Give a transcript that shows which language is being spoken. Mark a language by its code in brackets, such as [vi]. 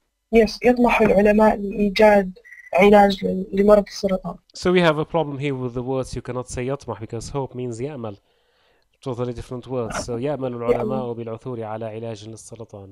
[en] Yes, [ar] يطمح العلماء لإيجاد علاج لمرض السرطان. [en] So we have a problem here with the words. You cannot say [ar] يطمح [en] because hope means [ar] يأمل. [en] Totally different words. [ar] So يأمل العلماء بالعثور على علاج للسرطان.